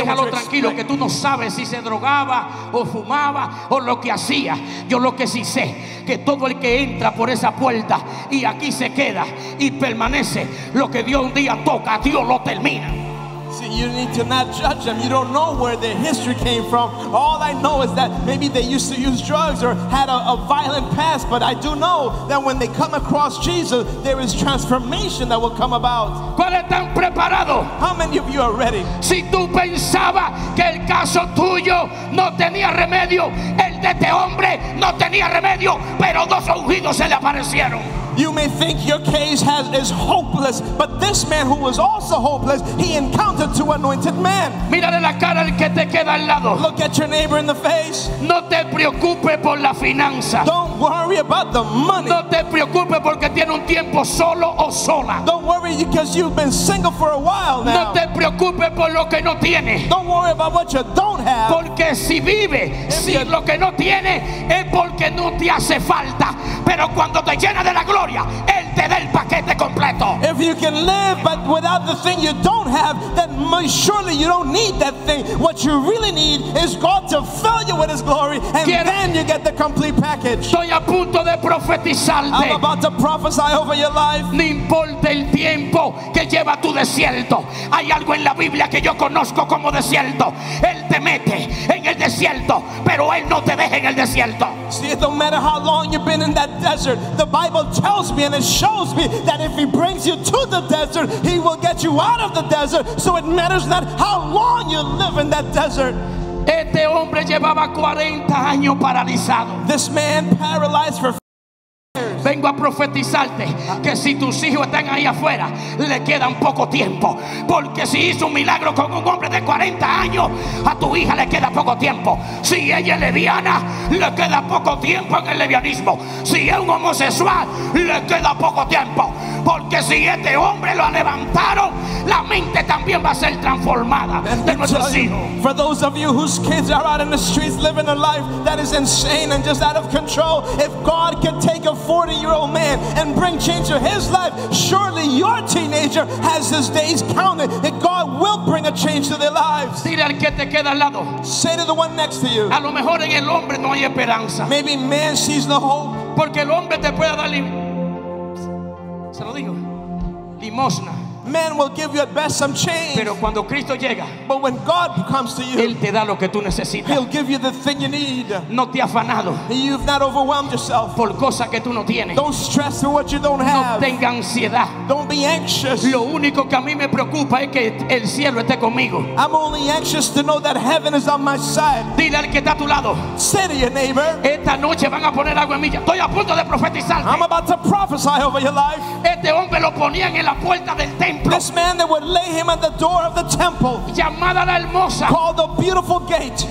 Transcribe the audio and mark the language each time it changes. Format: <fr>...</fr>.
<es>déjalo tranquilo, que tú no sabes si se drogaba o fumaba o lo que hacía. Yo lo que sí sé, que todo el que entra por esa puerta y aquí se queda y permanece, lo que Dios un día toca, Dios lo termina.</es> <en>See, you need to not judge them. You don't know where their history came from. All I know is that maybe they used to use drugs or had a violent past. But I do know that when they come across Jesus, there is transformation that will come about.</en> <es>¿Cuál están preparado?</es> <en>How many of you are ready?</en> <es>Si tú pensabas que el caso tuyo no tenía remedio, el de este hombre no tenía remedio, pero dos ungidos se le aparecieron.</es> <en>You may think your case is hopeless, but this man who was also hopeless, he encountered two anointed men.</en> <es>Mírale la cara al que te queda al lado.</es> <en>Look at your neighbor in the face.</en> <es>No te preocupes por la finanza.</es> <en>Don't worry about the money.</en> <es>No te preocupes porque tiene un tiempo solo o sola.</es> <en>Don't worry because you've been single for a while now.</en> <es>No te preocupes por lo que no tiene.</es> <en>Don't worry about what you don't have.</en> <es>Porque si vive, si lo que no tiene es porque no te hace falta. Pero cuando te llena de la gloria, Él te da el paquete completo.</es> <en>If you can live but without the thing you don't have, then surely you don't need that thing. What you really need is God to fill you with His glory, and then you get the complete package.</en> <es>Estoy a punto de profetizarte.</es> <en>I'm about to prophesy over your life.</en> <es>No importa el tiempo que lleva tu desierto. Hay algo en la Biblia que yo conozco como desierto. Él te mete en el desierto, pero Él no te deja en el desierto.</es> <en>See, it don't matter how long you've been in that desert. The Bible tells me and it shows me that if He brings you to the desert, He will get you out of the desert. So it matters not how long you live in that desert.</en> <es>Este hombre llevaba 40 años paralizado.</es> <en>This man paralyzed for</en> <es>Vengo a profetizarte que si tus hijos están ahí afuera, le quedan poco tiempo. Porque si hizo un milagro con un hombre de 40 años, a tu hija le queda poco tiempo. Si ella es lesbiana, le queda poco tiempo en el lesbianismo. Si es un homosexual, le queda poco tiempo. Porque si este hombre lo levantaron, la mente también va a ser transformada de nuestros hijos.</es> <en>For those of you whose kids are out in the streets living a life that is insane and just out of control, if God could take a 40-year-old man and bring change to his life, surely your teenager has his days counted, and God will bring a change to their lives.</en> <es>Dile al que te queda al lado.</es> <en>Say to the one next to you.</en> <es>A lo mejor en el hombre no hay esperanza.</es> <en>Maybe man sees no hope.</en> <es>Porque el hombre te puede dar se lo digo, limosna.</es> <en>Man will give you at best some change.</en> <es>Pero cuando Cristo llega,</es> <en>but when God comes to you,</en> <es>Él te da lo que tú necesitas.</es> <en>He'll give you the thing you need.</en> <es>No te afanado.</es> <en>You've not overwhelmed yourself.</en> <es>Por cosa que tú no tienes.</es> <en>Don't stress for what you don't have.</en> <es>No tenga ansiedad.</es> <en>Don't be anxious.</en> <es>Lo único que a mí me preocupa es que el cielo esté conmigo.</es> <en>I'm only anxious to know that heaven is on my side.</en> <es>Dile al que está a tu lado.</es> <en>Say to your neighbor.</en> <es>Esta noche van a poner agua en mí. Estoy a punto de profetizar.</es> <en>I'm about to prophesy over your life.</en> <es>Este hombre lo ponían en la puerta del templo.</es> <en>This man, they would lay him at the door of the temple,</en> <es>llamada la hermosa,</es> <en>called the beautiful gate.</en>